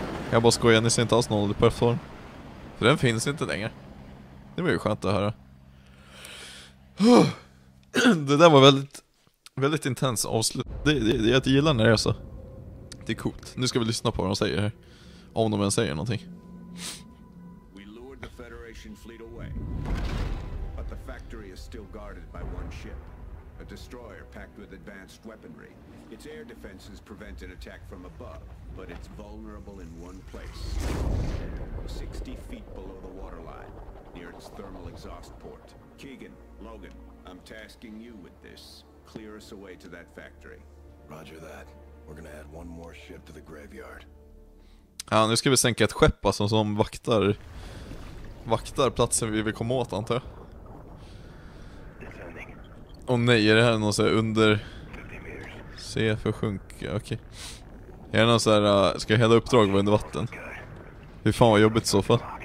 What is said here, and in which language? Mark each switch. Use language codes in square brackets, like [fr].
[sv] Jag bara skojar, ni ser inte alls någon oljeplattform. För den finns inte längre. Det blir ju skönt att höra. Det där var väldigt väldigt intens avslut. Det jag gillar när det är så. Det är coolt. Nu ska vi lyssna på vad de säger här. Om de än säger någonting. [en] We lured the Federation fleet away. But the factory is still guarded by one ship. A destroyer packed with advanced weaponry. Its air defenses prevent an attack from above. But it's vulnerable in one place. 60 feet below the waterline. Near its thermal exhaust port. Keegan, Logan, I'm tasking you with this. Clear us away to that factory. Roger that. We're gonna add one more ship to the graveyard. [sv] Ja, nu ska vi sänka ett skepp alltså, som vaktar platsen vi vill komma åt, antar jag. Och nej, är det här någon så här under C för sjunka? Okej. Okay. Är det någon så här ska hela uppdrag vara under vatten? Hur fan vad jobbigt i så fall.